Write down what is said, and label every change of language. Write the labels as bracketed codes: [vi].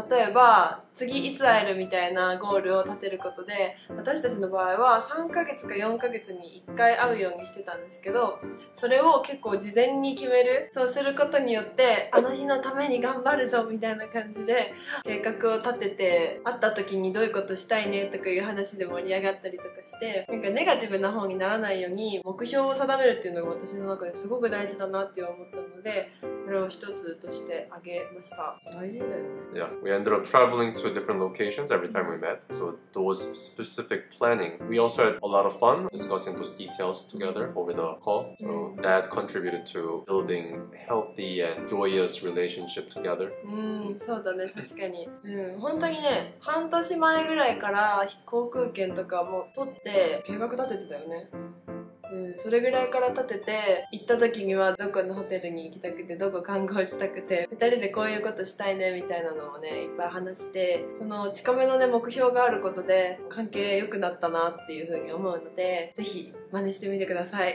[ja] 例えば次いつ会えるみたいなゴールを立てることで、私たちの場合は3ヶ月か4ヶ月に1回会うようにしてたんですけど、それを結構事前に決める、そうすることによって、あの日のために頑張るぞみたいな感じで計画を立てて、会った時にどういうことしたいねとかいう話で盛り上がったりとかして、なんかネガティブな方にならないように目標を定めるっていうのが私の中ですごく大事だなって思ったので、これを一つとしてあげました。大事だよね。 [en] Yeah, we ended up travelingTo different locations every time we met. So those specific planning, we also had a lot of fun discussing those details together over the call. So that contributed to building healthy and joyous relationship together. [ja] そうだね、確かに。本当にね、半年前ぐらいから航空券とかも取って計画立ててたよね。それぐらいから立てて、行った時にはどこのホテルに行きたくて、どこ観光したくて、2人でこういうことしたいねみたいなのをね、いっぱい話して、その近めのね目標があることで関係良くなったなっていう風に思うので、ぜひ真似してみてください。